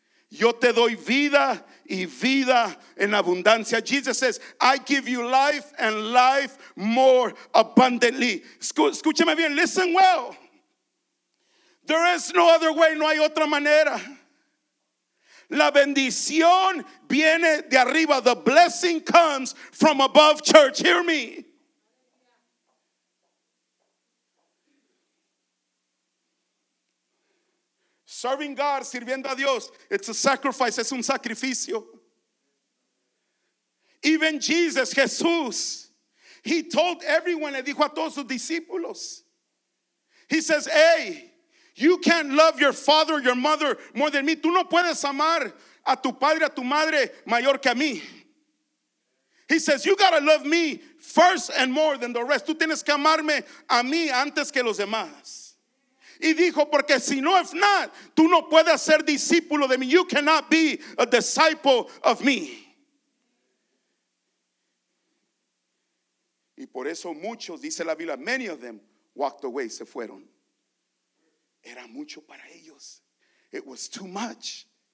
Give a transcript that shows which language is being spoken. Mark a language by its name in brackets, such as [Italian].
[Spanish] Yo te doy vida y vida en abundancia. [English] Jesus says, I give you life and life more abundantly. [Spanish] Escúchame bien, [English] listen well. There is no other way, [Spanish] no hay otra manera. La bendición viene de arriba. [English] The blessing comes from above, church. Hear me. Serving God, [Spanish] sirviendo a Dios, [English] it's a sacrifice, [Spanish] es un sacrificio. [English] Even Jesus, [Spanish] Jesús, [English] he told everyone, [Spanish] le dijo a todos sus discípulos. [English] He says, hey, you can't love your father, your mother more than me. [Spanish] Tú no puedes amar a tu padre, a tu madre mayor que a mí. [English] He says, you gotta love me first and more than the rest. [Spanish] Tú tienes que amarme a mí antes que los demás. Y dijo, porque si no, [English] if not, [Spanish] tú no puedes ser discípulo de mí. [English] You cannot be a disciple of me. [Spanish] Y por eso muchos, dice la Biblia, [English] many of them walked away, [Spanish] se fueron. Era mucho para ellos. [English] It was too much.